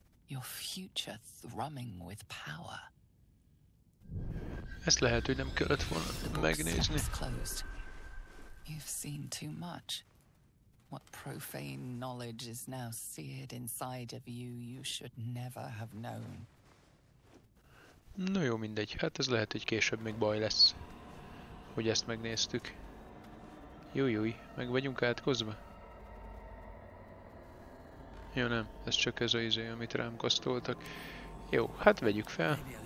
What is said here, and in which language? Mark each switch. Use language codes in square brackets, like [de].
[en] Your future thrumming with power. [hu] Ezt lehet, hogy nem kellett volna megnézni. [en] You've seen too much. What profane knowledge is now seared inside of you, you should never have known. [hu] No jó, mindegy. Hát ez lehet, hogy később még baj lesz, hogy ezt megnéztük. Jújjúj, meg vagyunk átkozva. Jó, nem. Ez csak ez az izé, amit rám kosztoltak. Jó, hát vegyük fel.